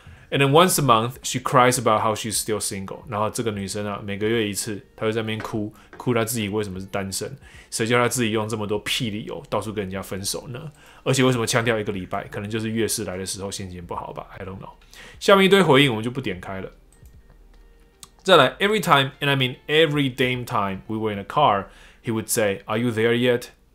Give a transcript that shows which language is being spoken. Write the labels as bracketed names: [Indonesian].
[English] And then once a month she cries about how she's still single。 [Chinese] 然后这个女生啊，每个月一次，她就在那边哭，哭她自己为什么是单身，谁叫她自己用这么多屁理由到处跟人家分手呢？而且为什么强调一个礼拜？可能就是月事来的时候心情不好吧 ， [English] I don't know。 [Chinese] 下面一堆回应我们就不点开了。再来 [English] ，Every time and I mean every damn time we were in a car, he would say, "Are you there yet?